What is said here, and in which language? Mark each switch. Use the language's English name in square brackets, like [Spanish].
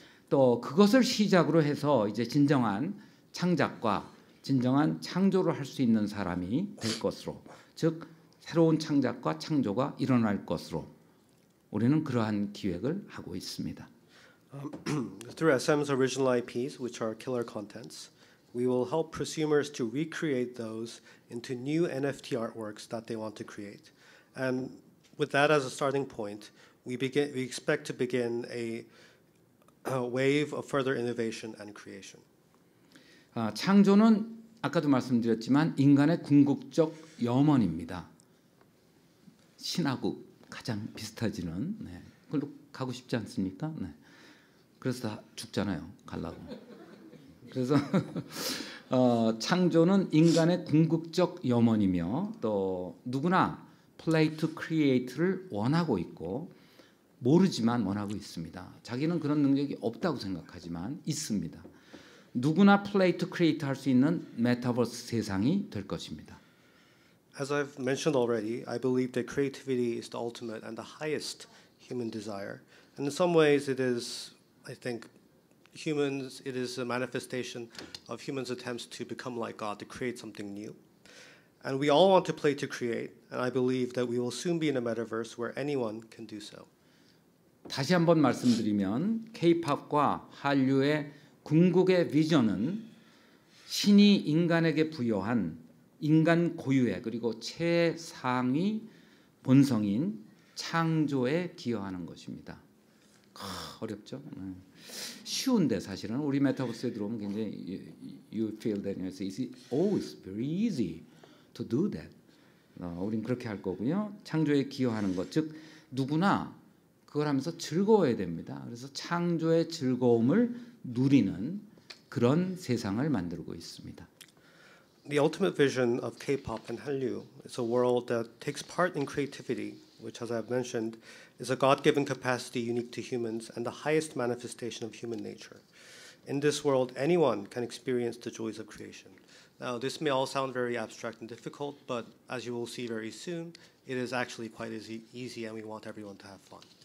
[Korean] 또 그것을 시작으로 해서 이제 진정한 창작과 진정한 창조를 할 수 있는 사람이 될 것으로, 즉 새로운 창작과 창조가 일어날 것으로 우리는 그러한 기획을 하고 있습니다. [English] Through SM's original IPs, which are killer contents, we will help prosumers to recreate those into new NFT artworks that they want to create. And with that as a starting point, we expect to begin a wave of further innovation and creation. [Korean] 창조는 아까도 말씀드렸지만 인간의 궁극적 염원입니다. 신화국 가장 비슷해지는 네. 그걸로 가고 싶지 않습니까? 네. 그래서 다 죽잖아요. 가려고. 그래서 창조는 인간의 궁극적 염원이며 또 누구나 play to create를 원하고 있고 모르지만 원하고 있습니다. 자기는 그런 능력이 없다고 생각하지만 있습니다. 누구나 play to create 할 수 있는 메타버스 세상이 될 것입니다. [English] As I've mentioned already, I believe that creativity is the ultimate and the highest human desire. And in some ways it is, I think, humans, it is a manifestation of humans' attempts to become like God, to create something new. And we all want to play to create, and I believe that we will soon be in a metaverse where anyone can do so. [Korean] 다시 한번 말씀드리면, K-POP과 한류의 궁극의 비전은 신이 인간에게 부여한 인간 고유의 그리고 최상위 본성인 창조에 기여하는 것입니다. 어렵죠? 쉬운데 사실은 우리 메타버스에 들어오면 굉장히 [English] you feel that it's easy. Oh, it's very easy to do that. [Korean] 우린 그렇게 할 거고요. 창조에 기여하는 것, 즉 누구나 그걸 하면서 즐거워야 됩니다. 그래서 창조의 즐거움을 누리는 그런 세상을 만들고 있습니다. [English] The ultimate vision of K-pop and Hallyu is a world that takes part in creativity, which, as I have mentioned, is a God-given capacity unique to humans and the highest manifestation of human nature. In this world, anyone can experience the joys of creation. Now, this may all sound very abstract and difficult, but as you will see very soon, it is actually quite easy, and we want everyone to have fun.